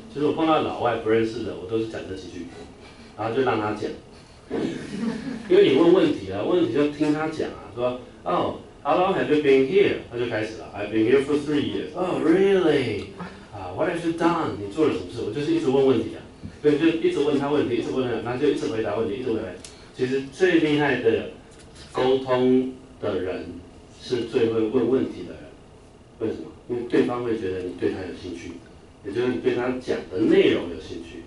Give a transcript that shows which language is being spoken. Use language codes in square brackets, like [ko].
[zh] 其实我碰到老外不认识的，我都是讲这几句，然后就让他讲，因为你问问题啊，问题就听他讲啊，说。 [en] Oh, how long have you been here? [zh] 他就开始了。 [en] I've been here for 3 years. Oh, really? What have you done? [zh] 你做了什么事？我就是一直问问题啊，所以就一直问他问题，一直问他，然后就一直回答问题，一直回答。其实最厉害的沟通的人是最会问问题的人。为什么？因为对方会觉得你对他有兴趣，也就是你对他讲的内容有兴趣。